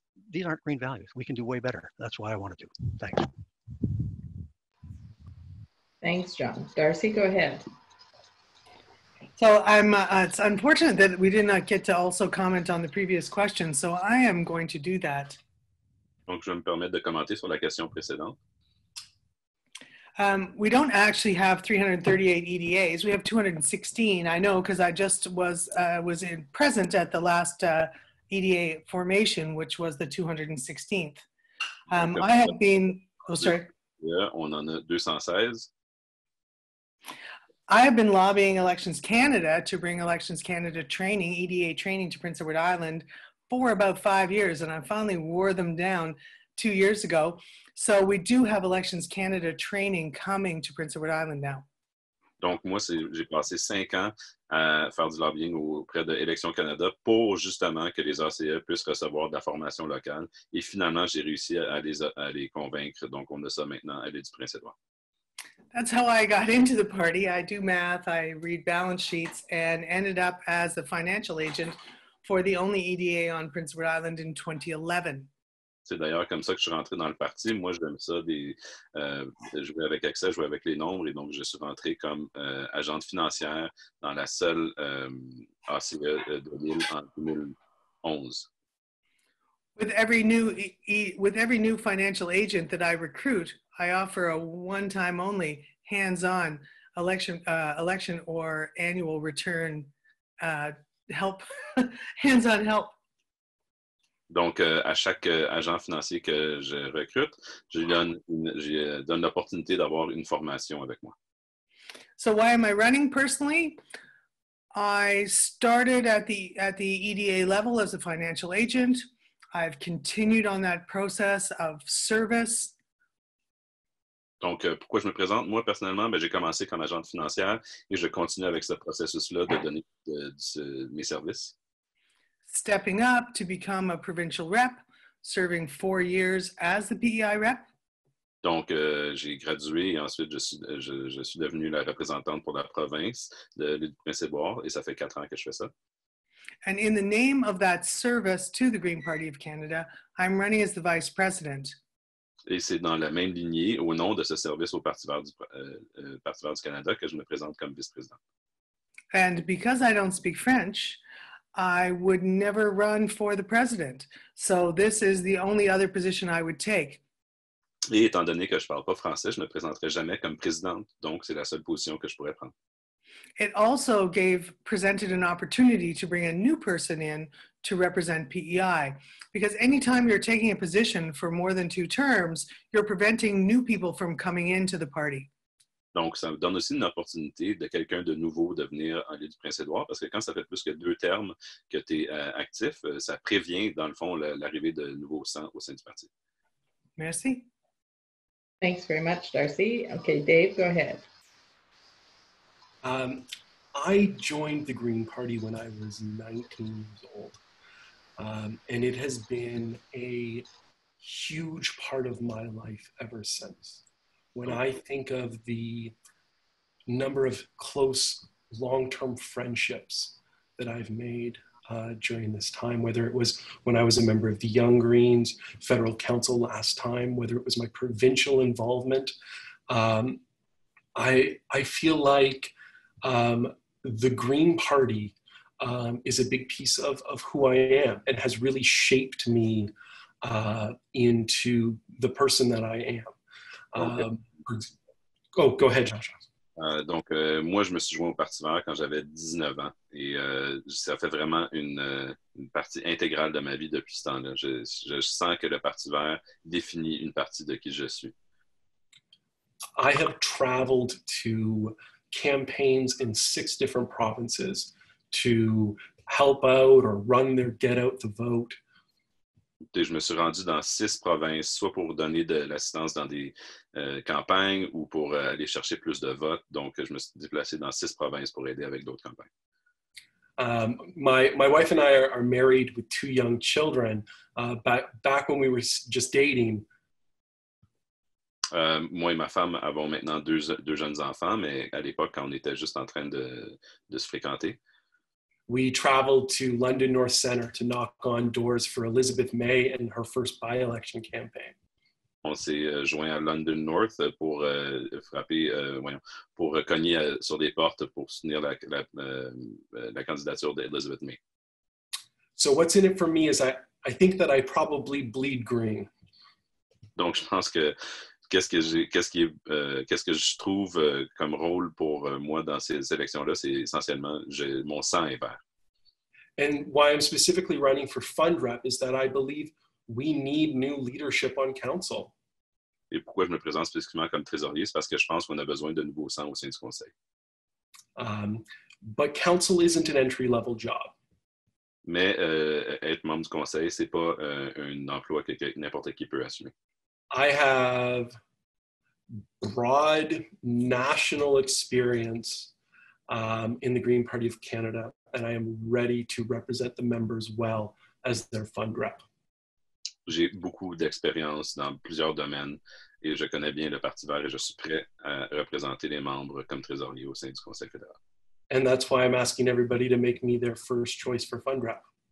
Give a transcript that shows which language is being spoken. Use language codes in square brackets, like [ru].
[en] These aren't green values. We can do way better. That's what I want to do. Thanks. Thanks, John. Darcy, go ahead. So it's unfortunate that we did not get to also comment on the previous question, so I am going to do that. [fr] Donc, je me permets de commenter sur la question précédente. [en] We don't actually have 338 EDAs. We have 216, I know, because I just was present at the last EDA formation, which was the 216th. I have been... Oh, sorry. [fr] Yeah, on en a 216. [en] I have been lobbying Elections Canada to bring Elections Canada training, EDA training, to Prince Edward Island for about 5 years, and I finally wore them down 2 years ago. So we do have Elections Canada training coming to Prince Edward Island now. [fr] Donc moi, j'ai passé 5 ans à faire du lobbying auprès de Elections Canada pour justement que les RCE puissent recevoir de la formation locale, et finalement, j'ai réussi à les convaincre. Donc on a ça maintenant à l'île du Prince Edward. [en] That's how I got into the party. I do math, I read balance sheets, and ended up as the financial agent for the only EDA on Prince Edward Island in 2011. [fr] C'est d'ailleurs comme ça que je suis rentré dans le parti. Moi, j'aime ça, jouer avec Excel, jouer avec les nombres, et donc je suis rentré comme agente financière dans la seule ACE 2011. [en] With every new financial agent that I recruit, I offer a one-time only, hands-on election or annual return help, hands-on help. [fr] Donc, à chaque agent financier que je recrute, je donne l'opportunité d'avoir une formation avec moi. [en] So why am I running personally? I started at the EDA level as a financial agent. I've continued on that process of service. [fr] Donc, pourquoi je me présente? Moi, personnellement, ben, j'ai commencé comme agente financière et je continue avec ce processus-là de donner mes services. [en] Stepping up to become a provincial rep, serving 4 years as the PEI rep. [fr] Donc, j'ai gradué et ensuite, je suis devenue la représentante pour la province de l'Île-du-Prince-et-Boire et ça fait 4 ans que je fais ça. [en] And in the name of that service to the Green Party of Canada, I'm running as the vice president. [fr] Et c'est dans la même lignée, au nom de ce service au Parti vert du Canada, que je me présente comme vice-président. [en] And because I don't speak French, I would never run for the president. So this is the only other position I would take. [fr] Et étant donné que je ne parle pas français, je ne me présenterai jamais comme présidente. Donc, c'est la seule position que je pourrais prendre. [en] It also presented an opportunity to bring a new person in to represent PEI. Because anytime you're taking a position for more than 2 terms, you're preventing new people from coming into the party. [fr] Donc, ça donne aussi une opportunité de quelqu'un de nouveau de venir en lieu du Prince-Édouard, parce que quand ça fait plus que 2 termes que tu es actif, ça prévient, dans le fond, l'arrivée de nouveaux sangs au sein du parti. Merci. [en] Thanks very much, Darcy. Okay, Dave, go ahead. I joined the Green Party when I was 19 years old, and it has been a huge part of my life ever since. When I think of the number of close, long-term friendships that I've made during this time, whether it was when I was a member of the Young Greens Federal Council last time, whether it was my provincial involvement, I feel like the Green Party is a big piece of who I am and has really shaped me into the person that I am. Go ahead, Josh. [fr] Moi, je me suis joint au Parti vert quand j'avais 19 ans et ça fait vraiment une partie intégrale de ma vie depuis ce temps-là. Je sens que le Parti vert définit une partie de qui je suis. [en] I have traveled to campaigns in 6 different provinces to help out or run their get out the vote. [fr] Et je me suis rendu dans 6 provinces, soit pour donner de l'assistance dans des campagnes ou pour aller chercher plus de votes. Donc, je me suis déplacé dans 6 provinces pour aider avec d'autres campagnes. [en] My wife and I are married with 2 young children. Back when we were just dating. [fr] Moi et ma femme avons maintenant deux jeunes enfants, mais à l'époque, quand on était juste en train de se fréquenter. [en] We traveled to London North Centre to knock on doors for Elizabeth May and her first by-election campaign. [fr] On s'est joint à London North pour frapper, pour cogner sur des portes pour soutenir la candidature d'Elizabeth May. [en] So what's in it for me is I think that I probably bleed green. [fr] Donc je pense que qu'est-ce que je trouve comme rôle pour moi dans ces élections-là, c'est essentiellement mon sang est vert. [en] And why I'm specifically running for fund rep is that I believe we need new leadership on council. [fr] Et pourquoi je me présente spécifiquement comme trésorier, c'est parce que je pense qu'on a besoin de nouveaux sangs au sein du conseil. [en] But council isn't an entry-level job. [fr] Mais être membre du conseil, c'est pas un emploi que n'importe qui peut assumer. [en] I have broad national experience in the Green Party of Canada, and I am ready to represent the members well as their fund rep. [fr] J'ai beaucoup d'expérience dans plusieurs domaines, et je connais bien le Parti vert, et je suis prêt à représenter les membres comme trésorier au sein du Conseil fédéral. [en] And that's why I'm asking everybody to make me their first choice for fund rep.